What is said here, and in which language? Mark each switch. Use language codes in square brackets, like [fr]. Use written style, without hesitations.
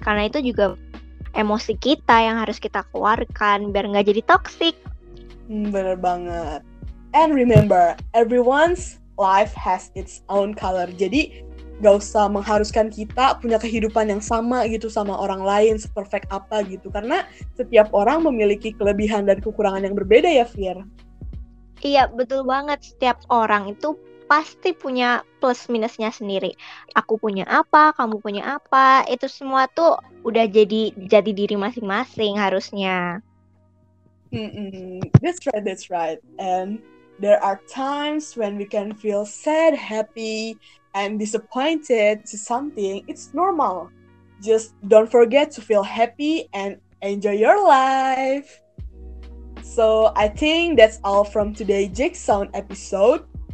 [id] Karena itu juga emosi kita yang harus kita keluarkan biar nggak jadi toxic. Bener banget. [en] And remember, everyone's life has its own color. [id] Jadi gak usah mengharuskan kita punya kehidupan yang sama gitu sama orang lain, seperfect apa gitu. Karena setiap orang memiliki kelebihan dan kekurangan yang berbeda ya, Fir. Iya, betul banget. Setiap orang itu pasti punya plus minusnya sendiri. Aku punya apa, kamu punya apa, itu semua tuh udah jadi diri masing-masing harusnya. [en] That's right. And there are times when we can feel sad, happy, and disappointed to something. It's normal. Just don't forget to feel happy and enjoy your life. So, I think that's all from today's JECSOUND episode.